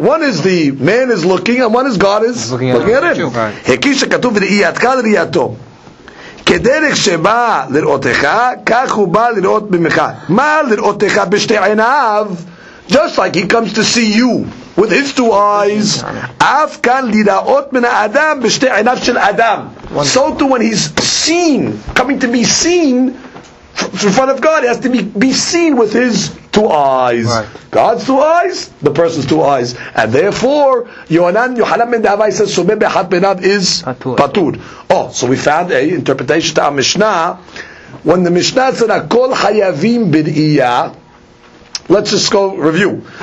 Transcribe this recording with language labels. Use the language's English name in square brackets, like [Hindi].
[English] One is the man is looking, and one is God is looking at him. [Hebrew] Hekish ha'katuv v'ri'iyat kal riyato. כדרך שבא לראותך, כך הוא בא לראות ממך. מה לראותך בשתי עיניו? [English] Just like he comes to see you with his two eyes. [Hebrew] אף כאן לראות מן האדם בשתי עיניו של אדם. [English] So too when he's seen, coming to be seen in front of God, he has to be seen with his two eyes. Right. God's two eyes, the person's two eyes. And therefore, Yohanan ben Dehavai says, [Hebrew] Someh be'ahat be'enav [English] is patur. Oh, so we found a interpretation to our Mishnah. When the Mishnah said, [Hebrew] Hakol hayavim b'ri'ya, [English] let's just go review.